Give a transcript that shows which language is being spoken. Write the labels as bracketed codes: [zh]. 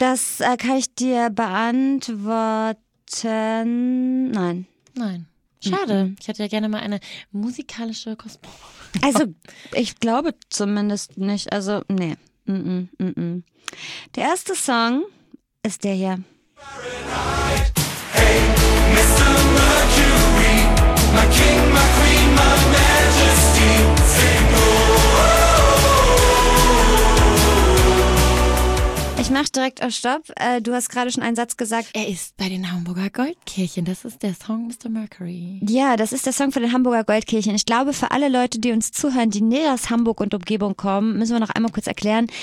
[de] Das kann ich dir beantworten. Nein. Nein. Schade, ich hätte ja gerne mal eine musikalische Kostüme. Also, ich glaube zumindest nicht. Also, nee. Mm-mm. Der erste Song ist der hier. [en] Hey, Mr. Mercury, my king, my queen, my majesty. [de] Ich mach direkt auf Stopp. Du hast gerade schon einen Satz gesagt. Er ist bei den Hamburger Goldkirchen. Das ist der Song Mr. Mercury. Ja, das ist der Song von den Hamburger Goldkirchen. Ich glaube, für alle Leute, die uns zuhören, die näher aus Hamburg und Umgebung kommen, müssen wir noch einmal kurz erklären.